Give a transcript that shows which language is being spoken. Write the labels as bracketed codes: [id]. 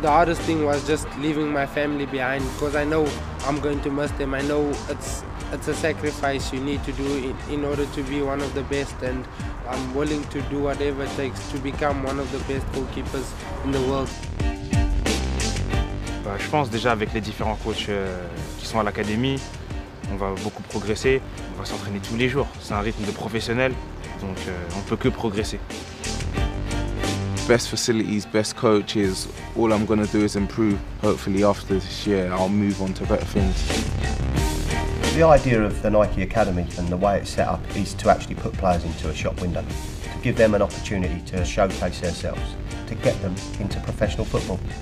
[en] The hardest thing was just leaving my family behind, because I know I'm going to miss them. I know it's a sacrifice you need to do in order to be one of the best, and I'm willing to do whatever it takes to become one of the best goalkeepers in the world. [fr] Je pense déjà avec les différents coachs qui sont à l'académie, on va beaucoup progresser, on va s'entraîner tous les jours. C'est un rythme de professionnel, donc on ne peut que progresser. [en] Best facilities, best coaches, all I'm going to do is improve. Hopefully after this year, I'll move on to better things. The idea of the Nike Academy and the way it's set up is to actually put players into a shop window, to give them an opportunity to showcase themselves, to get them into professional football.